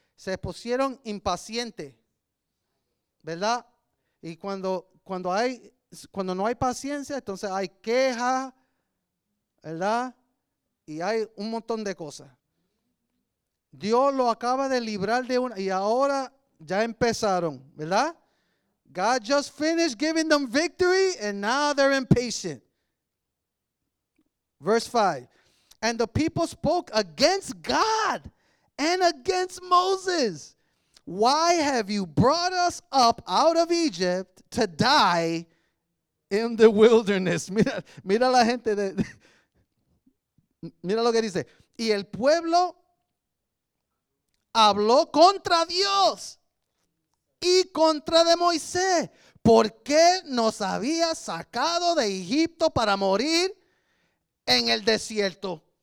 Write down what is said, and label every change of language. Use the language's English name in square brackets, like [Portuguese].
[Spanish] Se pusieron impacientes. ¿Verdad? Y cuando no hay paciencia, entonces hay queja, ¿verdad? Y hay un montón de cosas. Dios lo acaba de librar de una, y ahora ya empezaron, ¿verdad? [English] God just finished giving them victory, and now they're impatient. Verse 5. And the people spoke against God and against Moses. Why have you brought us up out of Egypt to die in the wilderness? [Spanish] Mira la gente de... Mira lo que dice. Y el pueblo habló contra Dios y contra de Moisés. ¿Por qué nos había sacado de Egipto para morir en el desierto?